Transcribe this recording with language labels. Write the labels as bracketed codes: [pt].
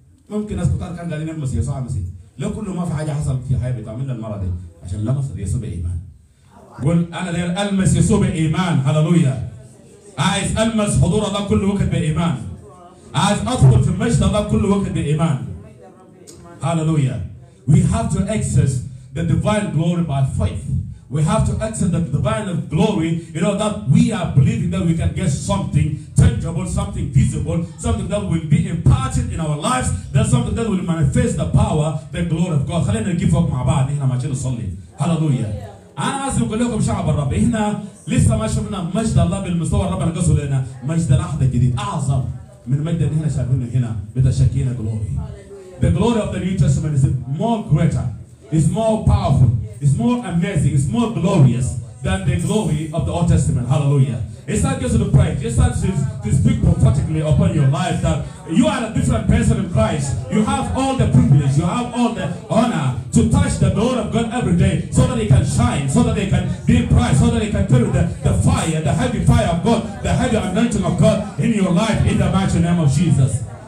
[ar] ممكن ناس كتار كان قالين لمس يسوع المسيح لو كله ما في حاجة حصل في حياة بتاع من المرة دي عشان لمس يسوع بالإيمان. قل أنا لي ألمس يسوع بالإيمان هللويا. عايز ألمس حضور الله كل وقت بالإيمان. عايز أدخل في المجد الله كل وقت بإيمان. هللويا. [en] We have to access the divine glory by faith. We have to access the divine glory in order that we are believing that we can get something tangible, something visible, something that will be imparted in our lives. That's something that will manifest the power, the glory of God. [ar] خلينا نجيب فوق مع بعض. إحنا ماشيين نصلي. هللويا. أنا عايز أقول لكم شعب الرب، إحنا لسه ما شفنا مجد الله بالمستوى الرب قصده لنا. مجد الأحد الجديد أعظم من مجد اللي احنا شايفينه هنا بتاع شاكينا جلوري. [en] The glory of the New Testament is more greater, is more powerful, is more amazing, is more glorious than the glory of the Old Testament. Hallelujah. It's not just to pray. It's not just to speak prophetically upon your life that you are a different person in Christ. You have all the privilege. You have all the honor to touch the glory of God every day so that it can shine, so that it can be bright, so that it can feel the fire, the heavy fire of God, the heavy anointing of God in your life in the mighty name of Jesus.